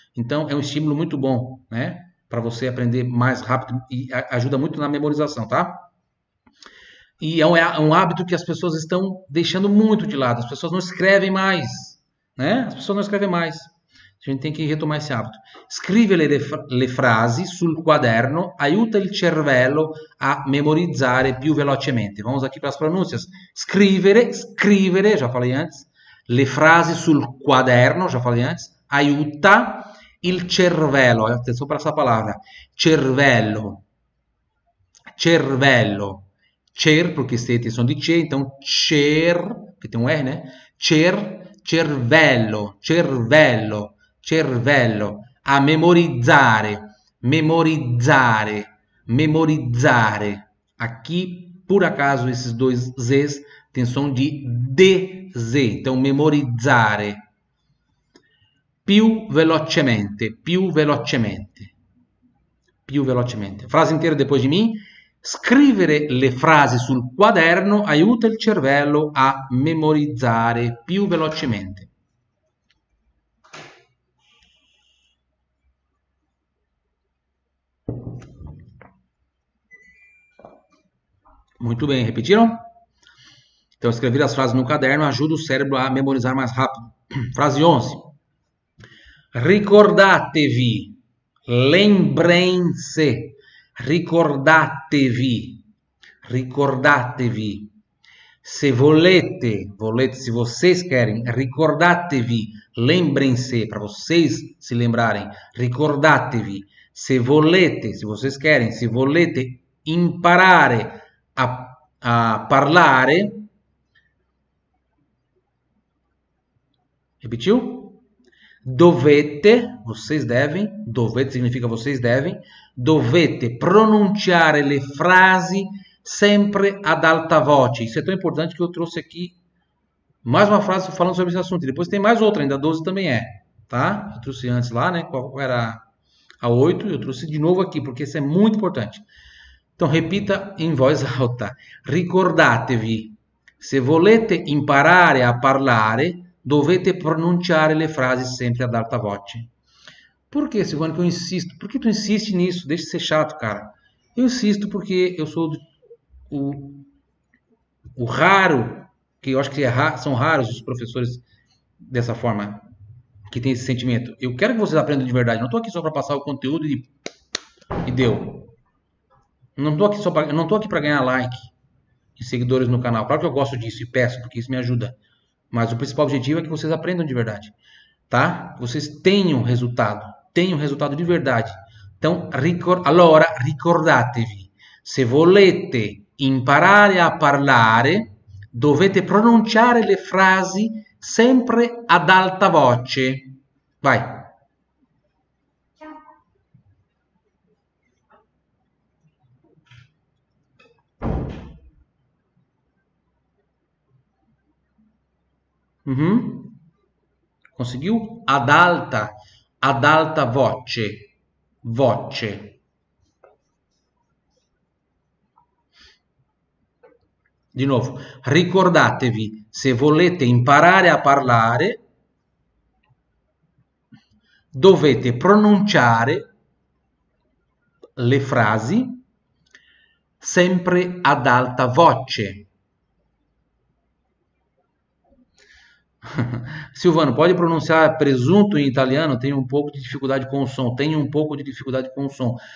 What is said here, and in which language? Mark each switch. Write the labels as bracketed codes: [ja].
[pt] Então, é um estímulo muito bom, né? Para você aprender mais rápido e ajuda muito na memorização, tá? E é um hábito que as pessoas estão deixando muito de lado. As pessoas não escrevem mais, né? As pessoas não escrevem mais. A gente tem que retomar esse hábito. [it] Scrivere le frasi sul quaderno aiuta il cervello a memorizzare più velocemente. [pt] Vamos aqui para as pronúncias. [it] Scrivere, [pt] já falei antes. [it] Le frasi sul quaderno, [pt] já falei antes. [it] Aiuta il cervello. Attenzione per questa parola. Cervello. Cervello. Cer, perché stai attenzione di C, [pt] então cer, [it] che [pt] tem um R, né? [it] cervello, cervello, cervello, a memorizzare, memorizzare, memorizzare. [pt] Aqui, por acaso, esses dois Zs têm som de DZ, então memorizzare. [it] Più velocemente, più velocemente. Più velocemente. Frase intera [pt] depois de mim. [it] Scrivere le frasi sul quaderno aiuta il cervello a memorizzare più velocemente. [pt] Muito bem, repetiram? Então, escrever as frases no caderno ajuda o cérebro a memorizar mais rápido. Frase 11. [it] Ricordatevi, [pt] lembrem-se, [it] ricordatevi, ricordatevi. Se volete, volete, [pt] se vocês querem, [it] ricordatevi, [pt] lembrem-se, para vocês se lembrarem, ricordatevi. [it] Se volete, [pt] se vocês querem, [it] se volete imparare a parlare, [pt] repetiu? [it] Dovete, [pt] vocês devem, [it] dovete significa vocês devem, dovete pronunciare le frasi sempre ad alta voce. [pt] Isso é tão importante que eu trouxe aqui mais uma frase falando sobre esse assunto. Depois tem mais outra, ainda 12 também é, tá? Eu trouxe antes lá, né? Qual era a 8, eu trouxe de novo aqui, porque isso é muito importante. Então, repita em voz alta. [it] Ricordatevi, se volete imparare a parlare, dovete pronunciare le frasi sempre ad alta voce. [pt] Por que, Silvano, que eu insisto? Por que tu insiste nisso? Deixa de ser chato, cara. Eu insisto porque eu sou o raro, que eu acho que são raros os professores dessa forma, que tem esse sentimento. Eu quero que vocês aprendam de verdade. Não estou aqui só para passar o conteúdo e deu. Não estou aqui só para, não estou aqui para ganhar like e seguidores no canal. Claro que eu gosto disso e peço, porque isso me ajuda. Mas o principal objetivo é que vocês aprendam de verdade, tá? Vocês tenham resultado de verdade. Então, [it] allora, ricordatevi, se volete imparare a parlare, dovete pronunciare le frasi sempre ad alta voce. Vai! [pt] Conseguiu? [it] Ad alta voce, voce. Di nuovo, ricordatevi, se volete imparare a parlare, dovete pronunciare le frasi sempre ad alta voce. [pt] Silvano, pode pronunciar presunto em italiano? Tenho um pouco de dificuldade com o som. Tenho um pouco de dificuldade com o som.